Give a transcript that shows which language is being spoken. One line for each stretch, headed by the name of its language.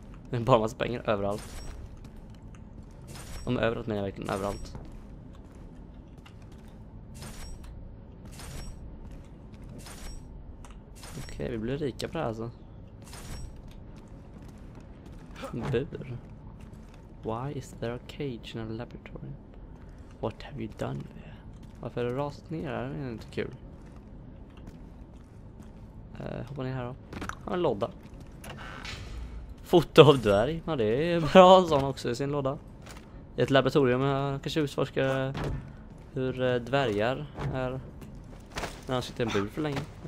Swedish: Det är bara en massa pengar överallt. Om överallt menar jag verkligen överallt. Okej, vi blir rika på det här alltså. Bur.
English: Why is there a cage in a laboratory? What have you done there?
Swedish: Varför har du rasat ner här? Det är inte kul. Hoppa ner här då. Ha en låda. Foto av dvärg. Ja, det är bra sån också i sin låda. I ett laboratorium. Jag kanske utforskar hur dvärgar är. När han sitter i en bur för länge.